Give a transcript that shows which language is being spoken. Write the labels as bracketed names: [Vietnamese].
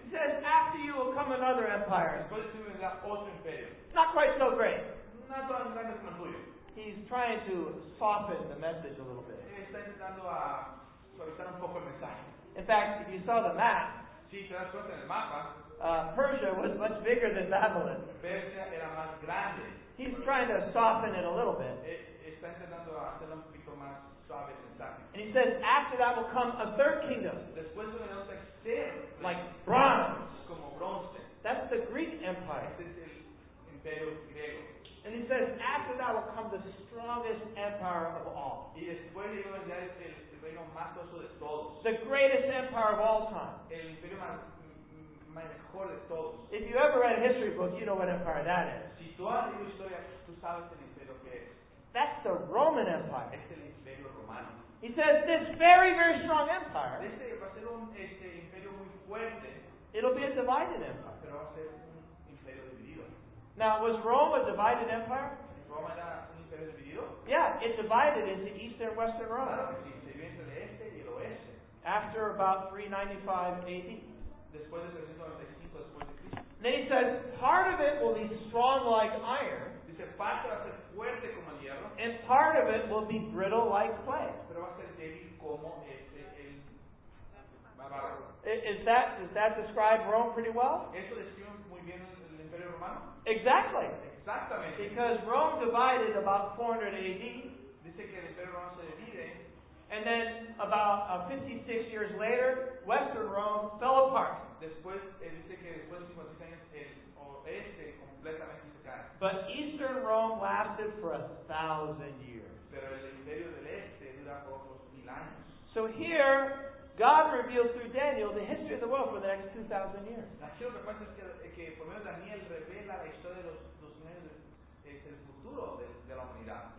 [English] He says, after you will come another empire. [Spanish] Después de ti vendrá otro imperio. [English] not quite so great. [Spanish] Not tan grande como el tuyo. [English] He's trying to soften the message a little bit. [Spanish] Está intentando a suavizar un poco el mensaje. [English] In fact, if you saw the map, [Spanish] si te das cuenta en el mapa, [English] Persia was much bigger than Babylon. [Spanish] Persia era más grande. [English] He's trying to soften it a little bit. [Spanish] Está intentando hacerlo un poquito más suave el mensaje. [English] And he says, after that will come a third kingdom. [Spanish] Después viene otro tercero. [English] Like bronze. [Spanish] Como bronce. [English] That's the Greek Empire. [Spanish] Este es el Imperio Griego. [English] And he says, after that will come the strongest empire of all. [Spanish] Y después de ello ya es el reino más poderoso de todos. [English] The greatest empire of all time. [Spanish] El imperio mejor de todos. [English] If you ever read a history book, you know what empire that is. [Spanish] Si tú has leído historia, tú sabes el imperio que es. [English] That's the Roman Empire. [Spanish] Es el imperio romano. [English] He says, this very, very strong empire. [Spanish] Este va a ser un imperio muy fuerte. [English] It'll be a divided empire. [Spanish] Pero va a ser un imperio dividido. [English] Now, was Rome a divided empire? [Spanish] Roma era un imperio dividido? [English] Yeah, it divided into Eastern and Western Rome. [Spanish] Claro, sí, se divide entre el este y el oeste. [English] After about 395 AD. [Spanish] Después de 395 después de Cristo. [English] Then he says, part of it will be strong like iron. [Spanish] Dice, parte va a ser fuerte como el hierro. [English] And part of it will be brittle like clay. [Spanish] Pero va a ser débil como el barro. [English] Is that describe Rome pretty well? [Spanish] Eso describe muy bien el imperio romano. [English] Exactly. [Spanish] Exactamente. [English] Because Rome divided about 400 AD. [Spanish] Dice que el imperio romano se divide. [English] And then about 56 years later, Western Rome fell apart. [Spanish] Después, dice que después de 56 años, el oeste completamente se cae. [English] But Eastern Rome lasted for 1,000 years. [Spanish] Pero el imperio del este dura por otros 1,000 años. [English] So here, God reveals through Daniel the history of the world for the next 2,000 years. [Spanish] Aquí lo que pasa es que por medio de Daniel revela la historia de los 2,000 años del futuro de la humanidad.